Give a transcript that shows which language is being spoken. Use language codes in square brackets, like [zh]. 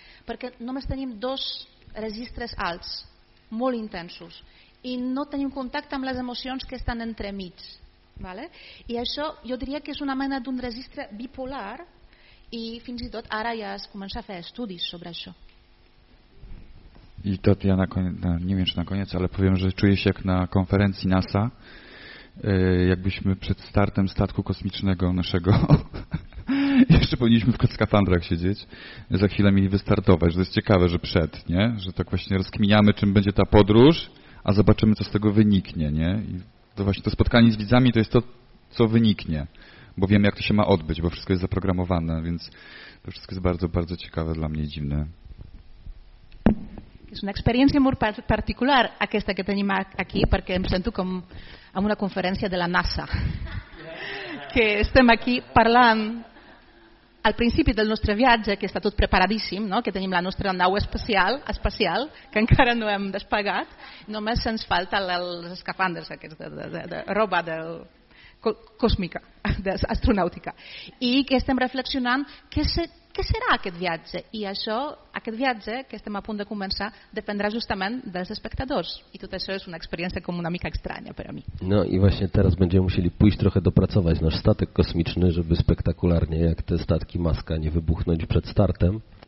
[ca] Perquè només tenim dos registres alts, molt intensos, i no tenim contacte amb les emocions que estan entremig. Vale? I això jo diria que és una mena d'un registre bipolar, i fins i tot ara ja es comença a fer estudis sobre això. I tot [pl] ja na koniec, nie wiem czy na koniec, ale powiem, że czuję się jak na konferencji NASA, jakbyśmy przed startem statku kosmicznego naszego. Jeszcze powinniśmy w skafandrach siedzieć, za chwilę mieli wystartować. To jest ciekawe, że przed, nie? Że tak właśnie rozkminiamy, czym będzie ta podróż, a zobaczymy, co z tego wyniknie, nie? I to właśnie to spotkanie z widzami to jest to, co wyniknie, bo wiemy, jak to się ma odbyć, bo wszystko jest zaprogramowane, więc to wszystko jest bardzo, bardzo ciekawe dla mnie i dziwne. [ca] És una experiència molt particular aquesta que tenim aquí, perquè em sento com en una conferència de la NASA, que estem aquí parlant al principi del nostre viatge, que està tot preparadíssim, no? Que tenim la nostra nau espacial, que encara no hem despegat, només ens falta els escafandres aquests de roba del cósmica, astronàutica, i que estem reflexionant què serà aquest viatge, i això, aquest viatge que estem a punt de començar, dependrà justament dels espectadors, i tot això és una experiència com una mica estranya per a mi. [pl] No, i właśnie teraz będziemy musieli pójść trochę dopracować nasz statek kosmiczny, żeby spektakularnie, jak te statki Maska, nie wybuchnąć przed startem.